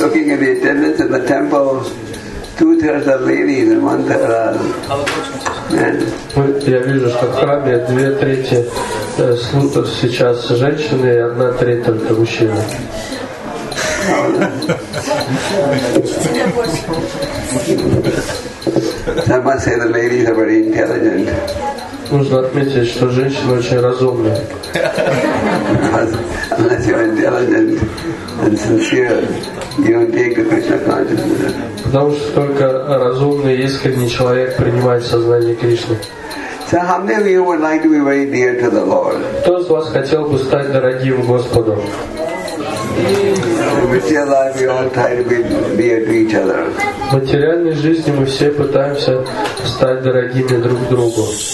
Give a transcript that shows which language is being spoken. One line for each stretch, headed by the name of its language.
English: Looking at the attendance in the temple, 2/3 are ladies and 1/3 are men.
Russian: Я вижу, что в храме 2/3 слутов сейчас женщины и 1/3 только мужчины.
English: I must say the ladies are very intelligent.
Russian: Нужно отметить, что женщины очень разумные.
English: Unless you're intelligent and sincere, you don't take the Krishna consciousness.
Russian: Потому что только разумный, искренний человек принимает сознание Кришны.
English: So how many of you would like to be very dear to the Lord?
Russian: Кто из вас хотел бы стать дорогим Господом? В материальной жизни мы все пытаемся стать дорогими друг другу.